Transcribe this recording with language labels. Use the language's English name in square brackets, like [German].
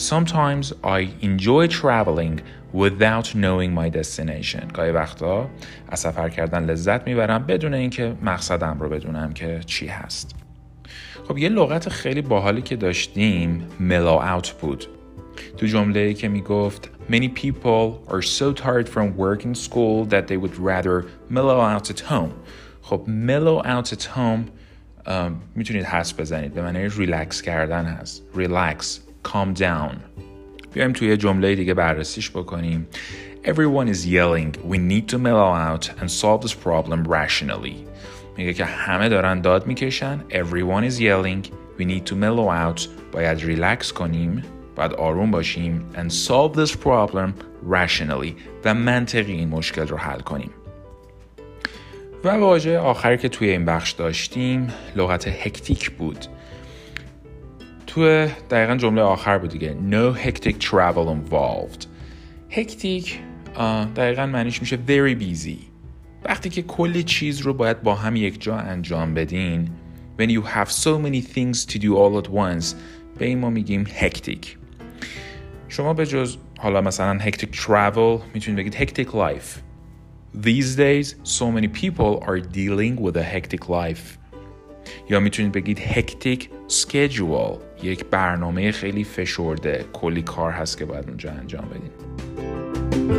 [English] Sometimes I enjoy traveling without knowing my destination. [Persian] گاهی وقتا از سفر کردن لذت میبرم بدون اینکه مقصدم رو بدونم که چی هست. خب یه لغت خیلی باحالی که داشتیم mellow out بود. تو جمله که میگفت [English] Many people are so tired from work and school that they would rather mellow out at home. [Persian] خب mellow out at home میتونید حس بزنید به معنی ریلکس کردن هست. ریلکس، calm down. بیایم توی جمله دیگه بررسیش بکنیم. [English] Everyone is yelling we need to mellow out and solve this problem rationally. [Persian] میگه که همه دارن داد میکشن. [English] Everyone is yelling. We need to mellow out. [Persian] باید ریلکس کنیم. باید آروم باشیم. [English] And solve this problem rationally. [Persian] و منطقی این مشکل رو حل کنیم. و واژه آخری که توی این بخش داشتیم لغت هکتیک بود. توی دقیقا جمله آخر بود دیگه. [English] No hectic travel involved. [Persian] هکتیک دقیقا معنیش میشه [English] very busy. [Persian] وقتی که کلی چیز رو باید با هم یک جا انجام بدین. [English] When you have so many things to do all at once. [Persian] به این ما میگیم hectic. شما به جز حالا مثلا hectic travel میتونید بگید hectic life. [English] These days, so many people are dealing with a hectic life. [Persian] یا میتونید بگید hectic schedule. یک برنامه خیلی فشرده. کلی کار هست که باید اونجا انجام بدین.